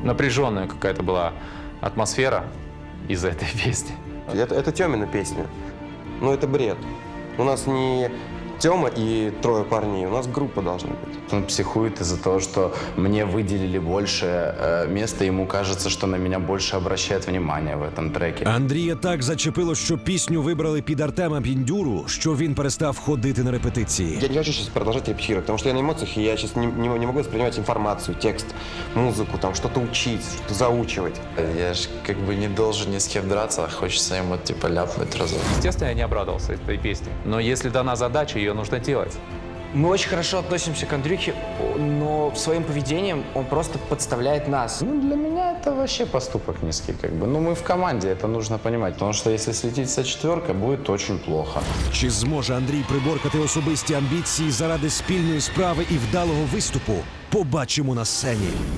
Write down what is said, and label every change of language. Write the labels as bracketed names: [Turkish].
[Russian] Напряженная какая-то была атмосфера из-за этой песни. Это Тёмина песня. Ну, это бред. У нас не Тёма и трое парней. У нас группа должна быть. Он психует из-за того, что мне выделили больше места. Ему кажется, что на меня больше обращает внимание в этом треке. [Ukrainian] Андрія так зачепило, що пісню вибрали під Артема Піндюру, що він перестав ходити на репетиції. [Russian] Я не хочу сейчас продолжать репетировать, потому что я на эмоциях, и я сейчас не могу воспринимать информацию, текст, музыку, там что-то учить, что-то заучивать. Я же как бы не должен ни с кем драться, а хочется ему типа ляпнуть разок. Естественно, я не обрадовался этой песне, но если дана задача, ее нужно делать. Мы очень хорошо относимся к Андрюхе, но своим поведением он просто подставляет нас. Ну, для меня это вообще поступок низкий, как бы. Ну, мы в команде, это нужно понимать. Потому что если слететь со четверкой, будет очень плохо. [Ukrainian] Чи зможе Андрій приборкати особисті амбіції заради спільної справи і вдалого виступу, побачимо на сцені.